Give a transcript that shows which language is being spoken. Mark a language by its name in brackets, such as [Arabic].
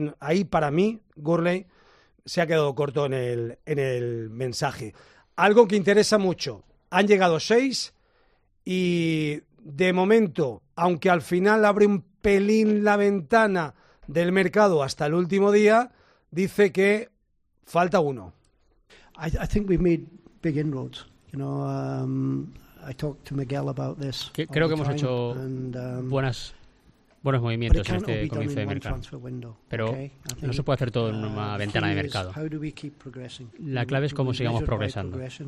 [Spanish] Ahí para mí, Gurley se ha quedado corto en el mensaje. Algo que interesa mucho. Han llegado 6 y de momento, aunque al final abre un pelín la ventana del mercado hasta el último día, dice que falta uno. [English] I think we've made big inroads. You know, I talked to Miguel about this. [Spanish] Creo que hemos hecho buenos movimientos en este comienzo de mercado, pero no se puede hacer todo en una ventana de mercado. La clave es cómo sigamos progresando.